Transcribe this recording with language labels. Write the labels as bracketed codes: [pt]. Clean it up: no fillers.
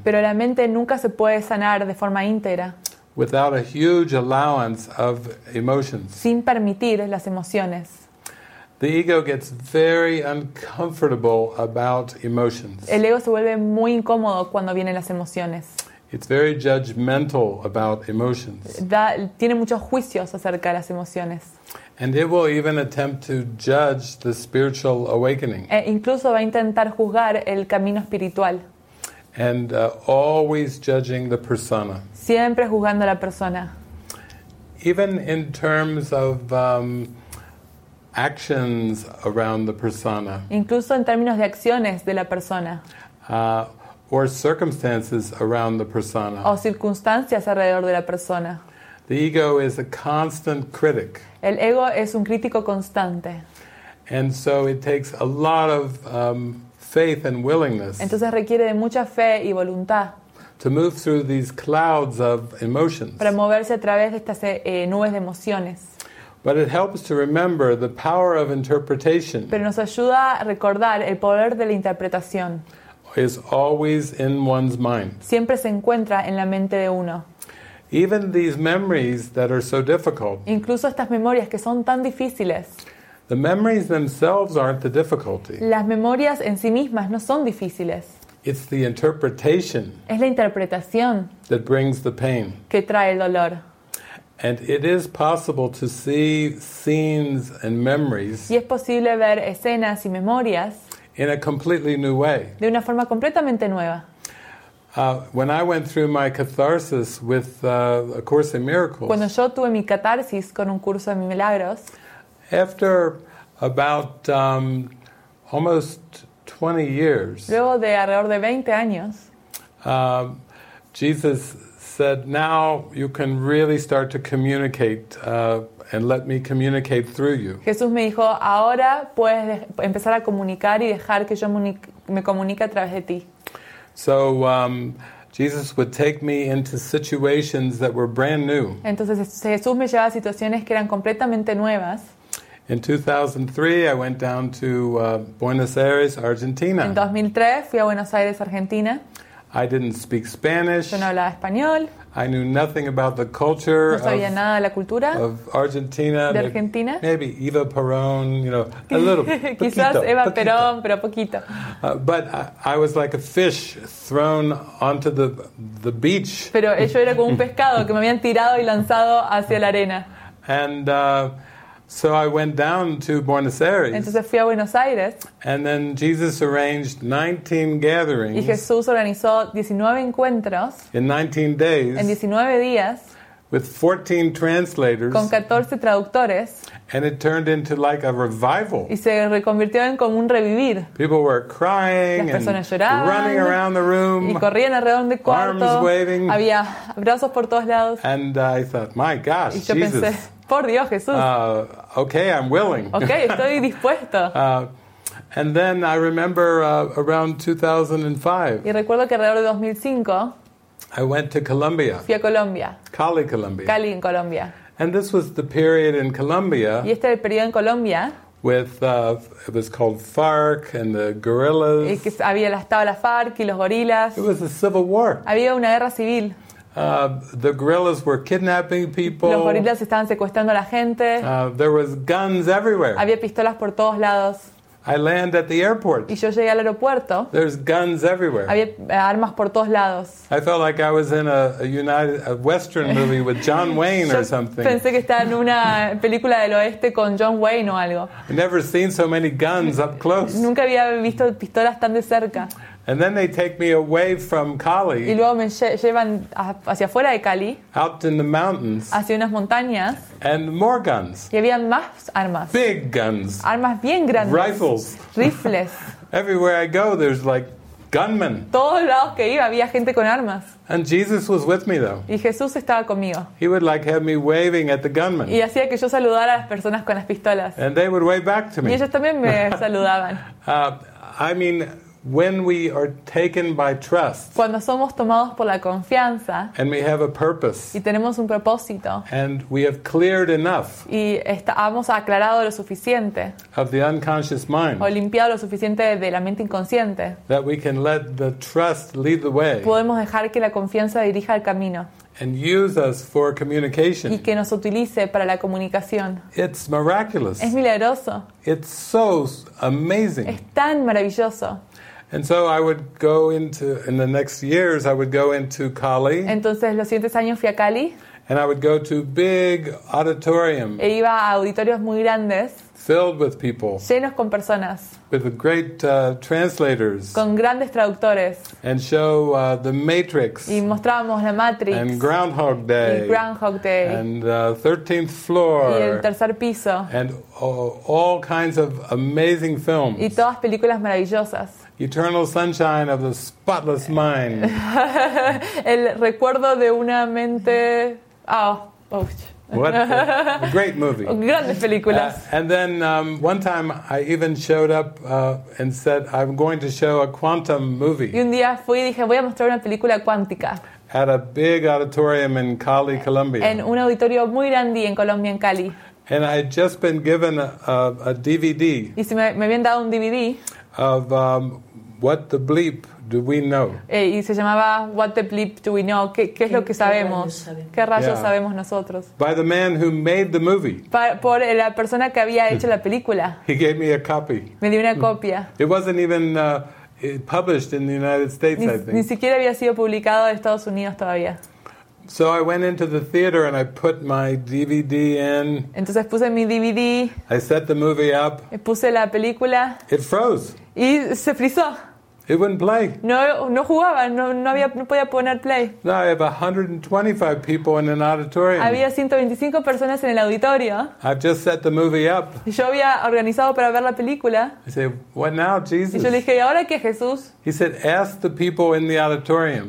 [es] Pero la mente nunca se puede sanar de forma íntegra. [en] Without a huge allowance of emotions. [es] Sin permitir las emociones. [en] The ego gets very uncomfortable about emotions. [es] El ego se vuelve muy incómodo cuando vienen las emociones. [en] It's very judgmental about emotions. [es] Tiene muchos juicios acerca de las emociones. [en] And it will even attempt to judge the spiritual awakening. [es] Incluso va a intentar juzgar el camino espiritual. [en] And always judging the persona. [es] Siempre juzgando a la persona. [en] Even in terms of actions around the persona. [es] Incluso en términos de acciones de la persona. [en] Or circumstances around the persona. [es] O circunstancias alrededor de la persona. [en] The ego is a constant critic. [es] El ego es un crítico constante. [en] And so it takes a lot of faith and willingness. [es] Entonces requiere de mucha fe y voluntad. [en] To move through these clouds of emotions. [es] Para moverse a través de estas nubes de emociones. [en] But it helps to remember the power of interpretation. [es] Pero nos ayuda a recordar el poder de la interpretación. [en] Is always in one's mind. [es] Siempre se encuentra en la mente de uno. [en] Even these memories that are so difficult. [es] Incluso estas memorias que son tan difíciles. [en] The memories themselves aren't the difficulty. [es] Las memorias en sí mismas no son difíciles. [en] It's the interpretation. [es] Es la interpretación. [en] That brings the pain. [es] Que trae el dolor. [en] And it is possible to see scenes and memories. [es] Y es posible ver escenas y memorias. [en] In a completely new way. [es] De una forma completamente nueva. [en] When I went through my catharsis with A Course in Miracles. [es] Cuando yo tuve mi catarsis con un curso de milagros. [en] After about almost 20 years. [es] Luego de alrededor de 20 años. [en] Jesus said, now you can really start to communicate and let me communicate through you. [es] Jesús me dijo, ahora puedes empezar a comunicar y dejar que yo me comunique a través de ti. [en] So Jesus would take me into situations that were brand new. [es] Entonces Jesús me llevaba a situaciones que eran completamente nuevas. [en] In 2003 I went down to Buenos Aires, Argentina. [es] En 2003 fui a Buenos Aires, Argentina. [en] I didn't speak Spanish. [es] Yo no hablaba español. [en] I knew nothing about the culture. [es] No sabía nada de la cultura. [en] Of Argentina. [es] De Argentina. [en] Maybe Eva Perón, you know, a little. [es] Quizás Eva Perón, pero poquito. [en] But I was like a fish thrown onto the beach. [es] Pero yo era como un pescado que me habían tirado y lanzado hacia la arena. [en] And so I went down to Buenos Aires. [es] Entonces fui a Buenos Aires. [en] And then Jesus arranged 19 gatherings. [es] Y Jesús organizó 19 encuentros. [en] In 19 days. [es] En 19 días. [en] With 14 translators. [es] Con 14 traductores. [en] And it turned into like a revival. [es] Y se reconvirtió en como un revivir. [en] People were crying. [es] Las personas lloraban. [en] And running around the room. [es] Y corrían alrededor del cuarto. [en] Arms waving. [es] Había brazos por todos lados. [en] And I thought, my gosh, [es] y yo [en] Jesus. [es] Pensé, por Dios, Jesús. [en] Okay, I'm willing. [es] Okay, estoy dispuesto. [en] And then I remember around 2005. [es] Y recuerdo que alrededor de 2005. [en] I went to Colombia. [es] Fui a Colombia. [en] Cali, Colombia. [es] Cali, en Colombia. [en] And this was the period in Colombia. [es] Y este era el periodo en Colombia. [en] With it was called FARC and the guerrillas. [es] Y que había estado la FARC y los gorilas. [en] It was a civil war. [es] Había una guerra civil. [en] The guerrillas were kidnapping people. [es] Los gorilas estaban secuestrando a la gente. [en] There was guns everywhere. [es] Había pistolas por todos lados. [en] I land at the airport. [es] Y yo llegué al aeropuerto. [en] There's guns everywhere. [es] Había armas por todos lados. [en] I felt like I was in a Western movie with John Wayne or something. [es] Pensé que estaba en una película del oeste con John Wayne o algo. [en] I never seen so many guns up close. [es] Nunca había visto pistolas tan de cerca. [en] And then they take me away from Cali. [es] Y luego me llevan hacia afuera de Cali. [en] Out in the mountains. [es] Hacia unas montañas. [en] And more guns. [es] Y había más armas. [en] Big guns. [es] Armas bien grandes. [en] Rifles. [es] Rifles. [en] Everywhere I go, there's like gunmen. [es] Todos lados que iba había gente con armas. [en] And Jesus was with me though. [es] Y Jesús estaba conmigo. [en] He would like have me waving at the gunmen. [es] Y hacía que yo saludara a las personas con las pistolas. [en] And they would wave back to me. [es] Y ellos también me saludaban. [en] I mean. When we are taken by trust, [es] cuando somos tomados por la confianza, [en] and we have a purpose, [es] y tenemos un propósito, [en] and we have cleared enough, [es] y hemos aclarado lo suficiente, [en] of the unconscious mind, [es] o limpiado lo suficiente de la mente inconsciente, [en] that we can let the trust lead the way, [es] podemos dejar que la confianza dirija el camino, [en] and use us for communication, [es] y que nos utilice para la comunicación. [en] It's miraculous. [es] Es milagroso. [en] It's so amazing. [es] Es tan maravilloso. [en] And so I would go in the next years, I would go into Cali. [es] Entonces, los siguientes años fui a Cali. [en] And I would go to big auditorium. [es] E iba a auditorios muy grandes. [en] Filled with people. [es] Llenos con personas. [en] With great translators. [es] Con grandes traductores. [en] And show the Matrix. [es] Y mostrábamos la Matrix. [en] And Groundhog Day. [es] Y Groundhog Day. [en] And 13th Floor. [es] Y el tercer piso. [en] And all kinds of amazing films. [es] Y todas películas maravillosas. [en] Eternal Sunshine of the Spotless Mind. [es] El recuerdo de una mente. [en] Oh, ouch. What a great movie. [es] Grandes películas. [en] And then one time I even showed up and said, I'm going to show a quantum movie. [es] Y un día fui y dije, voy a mostrar una película cuántica. [en] At a big auditorium in Cali, Colombia. [es] En un auditorio muy grande en Colombia, en Cali. [en] And I had just been given a DVD. [es] Y si me habían dado un DVD. [en] Of what the bleep do we know? [es] Y se llamaba What the bleep do we know? ¿Qué es lo que sabemos? ¿Qué rayos sabemos nosotros? [en] By the man who made the movie. [es] Por la persona que había hecho la película. [en] He gave me a copy. [es] Me dio una copia. [en] It wasn't even published in the United States, I think. [es] Ni siquiera había sido publicado en Estados Unidos todavía. [en] So I went into the theater and I put my DVD in. [es] Entonces puse mi DVD. [en] I set the movie up. [es] Puse la película. [en] It froze. [es] Y se frizó. [en] It wouldn't play. [es] No jugaba, no podía poner play. [en] No, I have 125 people in an auditorium. [es] Había 125 personas en el auditorio. [en] I've just set the movie up. [es] Y yo había organizado para ver la película. [en] I said, what now, Jesus? [es] Y yo le dije, ¿y ahora qué, Jesús? [en] He said, ask the people in the auditorium.